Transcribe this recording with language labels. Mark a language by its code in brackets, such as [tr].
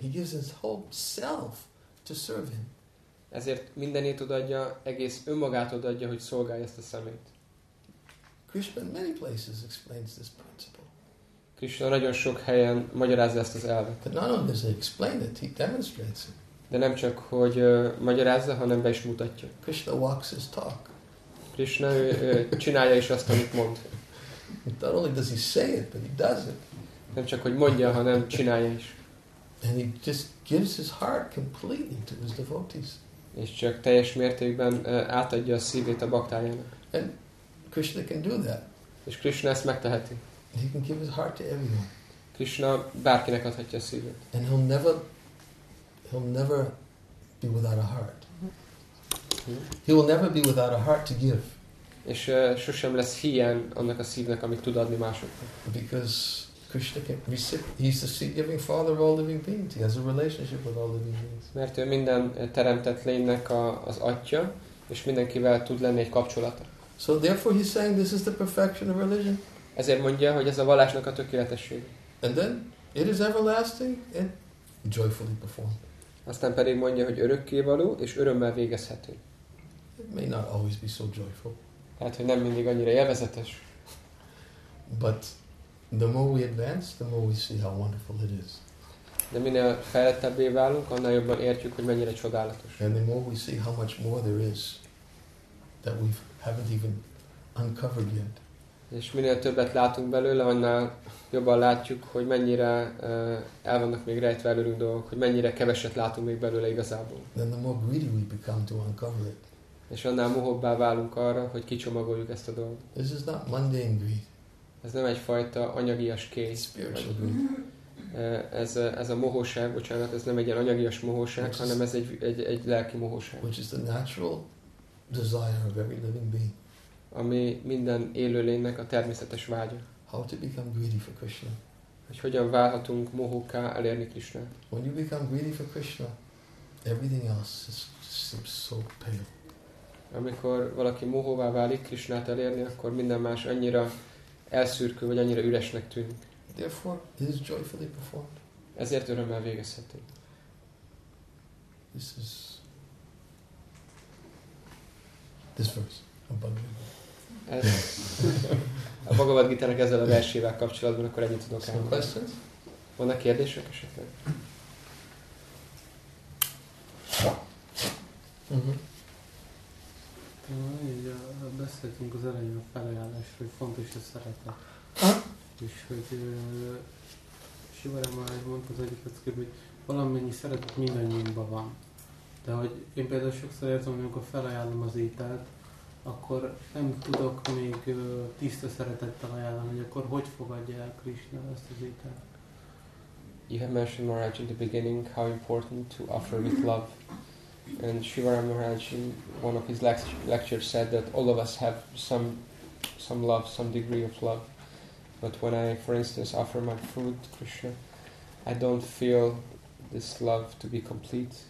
[en] He gives his whole self to serve him. [hu] Ezért mindenét odaadja, egész önmagát odaadja, hogy szolgálja ezt a szemét. [en] Krishna in many places explains this principle. [hu] Krishna nagyon sok helyen magyarázza ezt az elvet. [en] But not only does he explain it, he demonstrates it. [hu] De nem csak, hogy magyarázza, hanem be is mutatja. [en] Krishna walks his talk. [hu] Krishna csinálja is azt, amit mond. [en] Not only does he say it, but he does it. [hu] Nem csak, hogy mondja, hanem csinálja is. [en] And he just gives his heart completely to his devotees. [hu] És csak teljes mértékben átadja a szívét a baktájának. [en] And Krishna can do that. [hu] És Krishna ezt megteheti. [en] He can give his heart to everyone. [hu] Krishna bárkinek adhatja a szívét. [en] And he'll never be without a heart. He will never be without a heart to give. [hu] És sosem lesz hiány annak a szívnek, amit tud adni másoknak. [en] Because Krishna can he's the giving father of all living beings. He has a relationship with all living beings. [hu] Mert ő minden teremtett lénynek az atya, és mindenkivel tud lenni egy kapcsolata. [en] So therefore he's saying this is the perfection of religion. [hu] Ezért mondja, hogy ez a vallásnak a tökéletesség. [en] And then it is everlasting and joyfully performed. [hu] Aztán pedig mondja, hogy örökkévaló és örömmel végezhető. [en] It may not always be so joyful. [hu] Hát, hogy nem mindig annyira élvezetes. [en] But the more we advance, the more we see how wonderful it is. [hu] De minél fejlettebbé válunk, annál jobban értjük, hogy mennyire csodálatos. [en] And the more we see how much more there is that we haven't even uncovered yet. [hu] És minél többet látunk belőle, annál jobban látjuk, hogy mennyire el vannak még rejtve előrünk dolgok, hogy mennyire keveset látunk még belőle igazából. [en] Then the more greedy we become to uncover it. [hu] És annál mohóbbá válunk arra, hogy kicsomagoljuk ezt a dolgot. [en] This is not mundane greed. [hu] Ez nem egyfajta anyagias kéz. [en] Spiritual greed. [hu] Ez a mohóság, bocsánat, ez nem egy ilyen anyagias mohóság, hanem ez egy lelki mohóság. [en] Which is the natural desire of every living being. [hu] Ami minden élőlénynek a természetes vágya. [en] How to become greedy for Krishna. [hu] Hogy hogyan válhatunk mohóká elérni Krishnát. [en] When you become greedy for Krishna, everything else seems so pale. [hu] Amikor valaki mohóvá válik Krishnát elérni, akkor minden más annyira elszürkül, vagy annyira üresnek tűnik. [en] Therefore, it is joyfully performed. [hu] Ezért örömmel végezhető. [en] This verse. [hu] A Bhagavad Gita-nak ezzel a versével kapcsolatban akkor ennyit tudok elmondani. [en] Some questions? [hu] Vannak kérdések esetleg? Így beszéltünk az elején a felajánlásról, hogy fontos a szeretet. És hogy Sivarama mondta az egyik leckébe, hogy valamennyi szeretet mindannyiunkban van. De hogy én például sokszor érzem, amikor felajánlom az ételt, akkor nem tudok még tiszta szeretettel ajánlani, hogy akkor hogy fogadja el Krishna ezt az ételt. [en] You have mentioned Maharaj in the beginning how important to offer with love. And Shivaram Maharaj in one of his lectures said that all of us have some love, some degree of love. But when I, for instance, offer my food to Krishna, I don't feel this love to be complete.